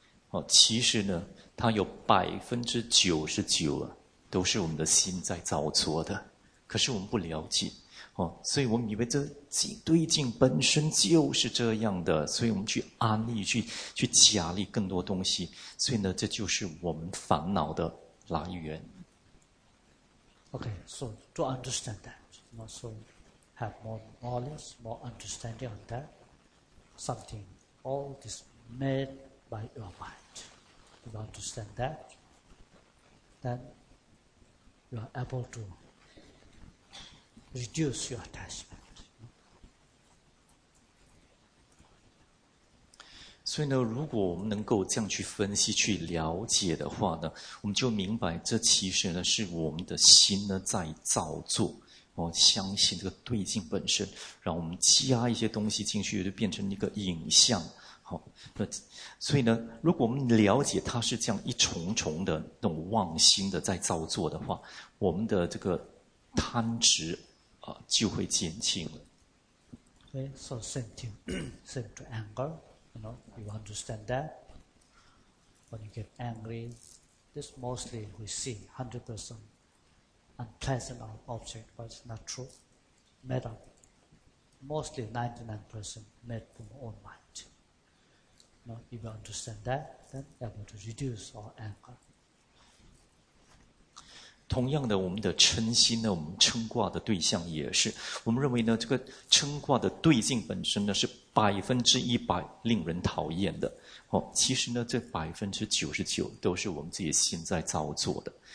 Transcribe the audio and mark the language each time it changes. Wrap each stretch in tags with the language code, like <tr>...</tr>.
<zh>哦，其实呢，它有99%啊，都是我们的心在造作的。可是我们不了解，哦，所以我们以为这对境本身就是这样的，所以我们去安立、去假立更多东西，所以呢，这就是我们烦恼的来源。</zh> <en>Okay, so to understand that, so have more knowledge, more understanding on that, something, all this made by your mind. You understand that, then you are able to reduce your attachment.</en> <zh>所以呢，如果我们能够这样去分析、去了解的话呢，我们就明白，这其实呢是我们的心呢在造作。我相信这个对境本身，让我们加一些东西进去，就变成一个影像。好，那所以呢，如果我们了解它是这样一重重的那种妄心的在造作的话，我们的这个贪执啊就会减轻了。</zh> <en>Okay, so same thing, same to anger. You know, you understand that? When you get angry, this mostly we see 100% unpleasant object, but it's not true. Made up, mostly 99% made from our own mind. You know, if you understand that, then you're able to reduce our anger.</en> <zh>同样的，我们的嗔心呢，我们嗔挂的对象也是，我们认为呢，这个嗔挂的对境本身呢，是100%令人讨厌的。哦，其实呢，这99%都是我们自己心在造作的。</zh>